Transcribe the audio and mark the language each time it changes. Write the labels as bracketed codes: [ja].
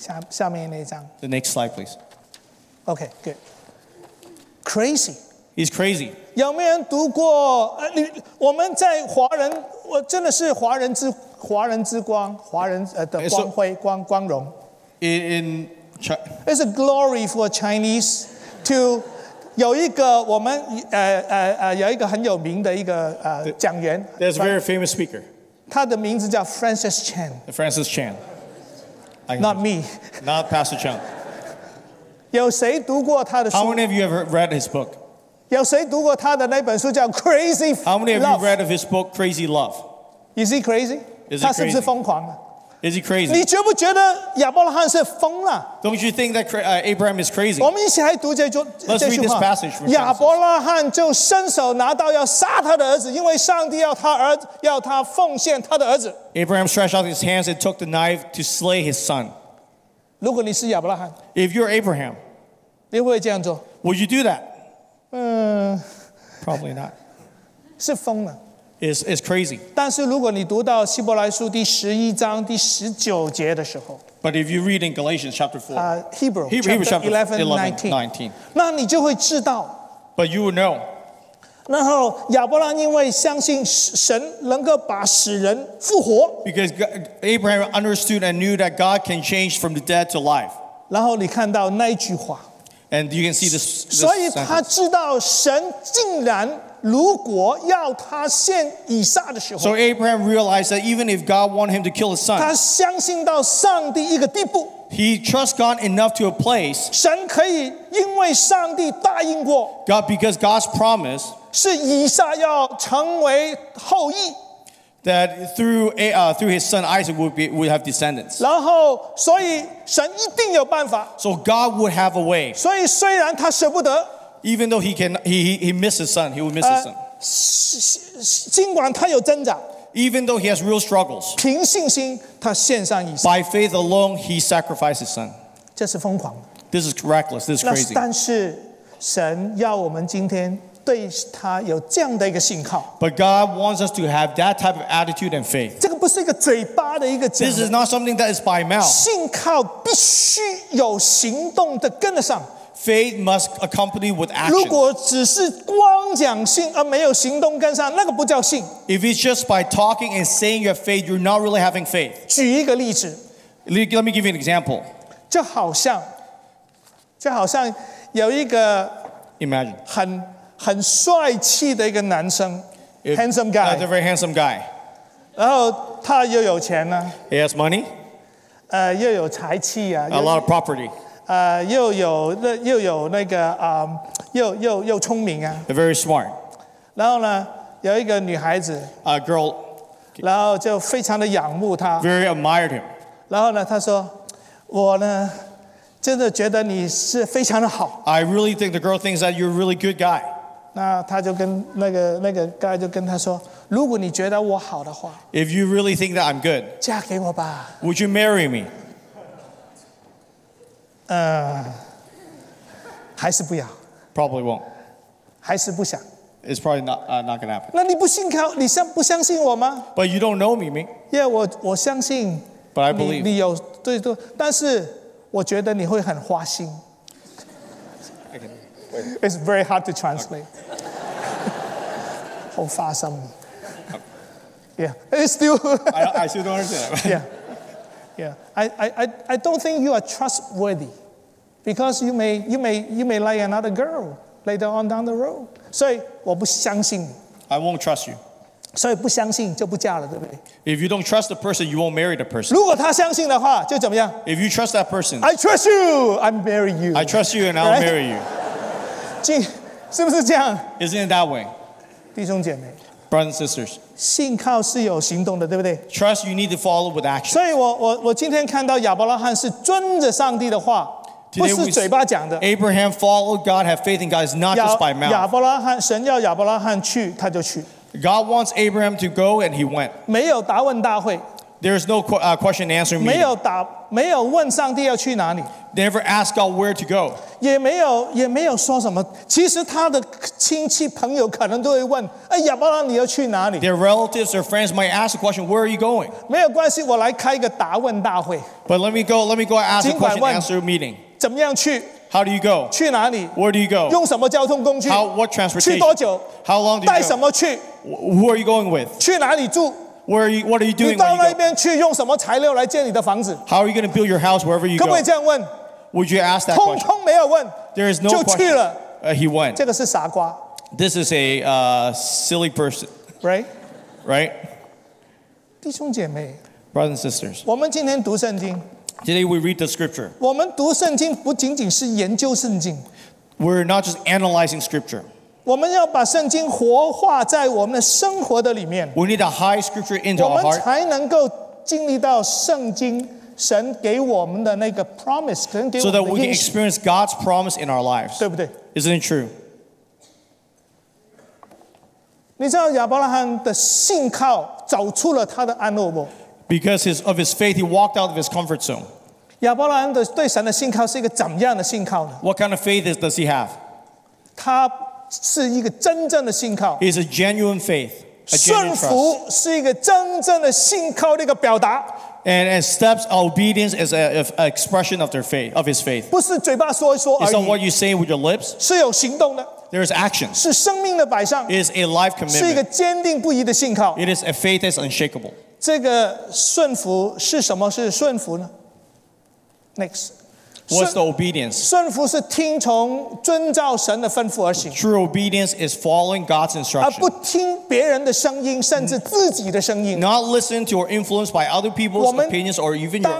[zh] 下面那一张。 [en] The next slide, please. Okay, good. Crazy. He's crazy. [zh] 有没有人读过？我们在华人，我真的是华人之光，华人的光辉光荣。 [en] In China, it's a glory for Chinese to. [zh] 有一个我们有一个很有名的一个讲员 [en] There's a very famous speaker. [zh] 他的名字叫 Francis Chan. [en] Francis Chan. Not me. Not Pastor Chan. [zh] 有谁读过他的书 [en] How many of you have read his book? [zh] 有谁读过他的那本书叫 Crazy Love? [en] How many of you read of his book Crazy Love? Is he crazy? Is he crazy? [zh] 他是不是疯狂的 [en] Is he crazy? [zh] 你觉不觉得亚伯拉罕是疯了 [en] Don't you think that Abraham is crazy? [zh] 我们一起来读这句话 [en] Let's read this passage. [zh] 亚伯拉罕就伸手拿刀要杀他的儿子，因为上帝要他儿子要他奉献他的儿子。 [en] Abraham stretched out his hands and took the knife to slay his son. [zh] 如果你是亚伯拉罕 [en] If you're Abraham, [zh] 你会这样做 [en] Would you do that? 嗯 Probably not. [zh] 是疯了。 [en] Is crazy. [zh] 但是如果你读到希伯来书第十一章第十九节的时候 [en] But if you read in Galatians chapter 4 Hebrew chapter 11:19, [zh] 那你就会知道 [en] But you will know. [zh] 然后亚伯拉因为相信神能够把死人复活 [en] Because Abraham understood and knew that God can change from the dead to life. [zh] 然后你看到那句话 [en] And you can see this [zh] 所以他知道神竟然如果要他献以撒的时候 [en] So Abraham realized that even if God wanted him to kill his son [zh] 他相信到上帝一个地步 [en] He trusts God enough to a place [zh] 神可以因为上帝答应过 [en] God, Because God's promise [zh] 是以撒要成为后裔 [en] That through his son Isaac would have descendants [zh] 然后所以神一定有办法 [en] So God would have a way [zh] 所以虽然他舍不得 [en] Even though he missed his son, he would miss his son. [zh] 尽管他有挣扎 [en] Even though he has real struggles, [zh] 凭信心他献上以撒 [en] By faith alone, he sacrificed his son. [zh] 这是疯狂 [en] This is reckless, this is crazy. [zh] 但是神要我们今天对他有这样的一个信靠 [en] But God wants us to have that type of attitude and faith. [zh] 这个不是一个嘴巴的一个讲 [en] This is not something that is by mouth. [zh] 信靠必须有行动的跟得上 [en] Faith must accompany with action. [zh] 如果只是光讲信而没有行动跟上，那个不叫信。 [en] If it's just by talking and saying you have faith, you're not really having faith. [zh] 举一个例子。 [en] Let me give you an example. [zh] 就好像有一个 [en] Imagine [zh] 很帅气的一个男生 [en] handsome guy. That's a very handsome guy. [zh] 然后他又有钱呢。 [en] He has money. [zh] 又有财气啊。 [en] A lot of property. [zh] 又有那个又聪明啊 [en] They're very smart [zh] 然后呢有一个女孩子 [en] A girl [zh] 然后就非常的仰慕她 [en] Very admired him [zh] 然后呢她说我呢真的觉得你是非常的好 [en] I really think the girl thinks that you're a really good guy [zh] 那她就跟那个 guy 就跟她说如果你觉得我好的话 [en] If you really think that I'm good [zh] 嫁给我吧 [en] Would you marry me? [zh] 还是不要 [en] Probably won't [zh] 还是不想 [en] It's probably not going to happen [zh] 那你不信靠你不相信我吗 [en] But you don't know me, me [zh] Yeah, 我相信 [en] But I believe [zh] 你有对对但是我觉得你会很花心 [en] It's very hard to translate、okay. [zh] 好发生 [en] Yeah, it's still. I still don't understand. yeah. I don't think you are trustworthy, because you may like another girl later on down the road. [zh] 所以我不相信。 [en] I won't trust you. [zh] 所以不相信就不嫁了，对不对 [en] ？If you don't trust the person, you won't marry the person. [zh] 如果他相信的话，就怎么样 [en] ？If you trust that person, I trust you. I'm marry you. I trust you, and I'll、right? marry you. [zh] 是不是这样 [en] ？Isn't it that way? [zh] 弟兄姐妹。 [en] Brothers and sisters, [zh] 信靠是有行动的，对不对 [en] ？Trust you need to follow with action. [zh] 所以我今天看到亚伯拉罕是遵着上帝的话， [en] Today、 [zh] 不是嘴巴讲的。 [en] Abraham followed God, have faith in God, is not just by mouth. [zh] 亚伯拉罕神要亚伯拉罕去，他就去。 [en] God wants Abraham to go, and he went. [zh] 没有答问大会。 [en] There is no question answer meeting. [zh] 没有问上帝要去哪里。 [en] Never ask God where to go. [zh] 也没有说什么。其实他的亲戚朋友可能都会问：“哎，亚伯拉罕，你要去哪里 [en] ？”Their relatives or friends might ask the question, "Where are you going?" [zh] 没有关系，我来开一个答问大会。 [en] But let me go ask a question answer meeting. [zh] 怎么样去 [en] ？How do you go? [zh] 去哪里 [en] ？Where do you go? [zh] 用什么交通工具 [en] ？How what transportation? [zh] 去多久 [en] ？How long do you go? [zh] 带什么去 [en] ？Who are you going with? [zh] 去哪里住？ [en] Where are you, what are you doing? [zh] 你到那边去用什么材料来建你的房子 [en] ？How are you going to build your house wherever you go? [zh] 可不可以这样问 [en] ？Would you ask that question? [zh] 通通没有问 [en] ，There is no question. [zh] 就去了。 [en] He went. [zh] 这个是傻瓜。 [en] This is a silly person. Right? [zh] 弟兄姐妹 [en] ，Brothers and sisters， [zh] 我们今天读圣经。 [en] Today we read the scripture. [zh] 我们读圣经不仅仅是研究圣经。 [en] We're not just analyzing scripture. [zh] 我们要把圣经活化在我们的生活的里面。 [en] We need to hide scripture into our heart. [zh] 我们才能够经历到圣经神给我们的那个 promise， 神给我们的应许。 [en] So that we can experience God's promise in our lives. [zh] 对不对 [en] ？Isn't it true？ [zh] 你知道亚伯拉罕的信靠走出了他的安乐窝。 [en] Because of his faith, he walked out of his comfort zone. [zh] 亚伯拉罕的对神的信靠是一个怎么样的信靠呢 [en] ？What kind of faith does he have？ [zh] 他是一个真正的信靠。 [en] Is a genuine faith. [zh] 顺服是一个真正的信靠的一个表达。 [en] And steps obedience is an expression of their faith, of his faith. [zh] 不是嘴巴说一说而已。 [en] It's not what you say with your lips. [zh] 是有行动的。 [en] There is action. [zh] 是生命的摆上。 [en] Is a life commitment. [zh] 是一个坚定不移的信靠。 [en] It is a faith that's unshakable. [zh] 这个顺服是什么？是顺服呢 ？ [en] Next. What's the obedience? [zh] 顺服是听从遵照神的吩咐而行。 [en] True obedience is following God's instruction. [zh] 而不听别人的声音，甚至自己的声音。 [en] Not listen to or influenced by other people's opinions or even your own opinions.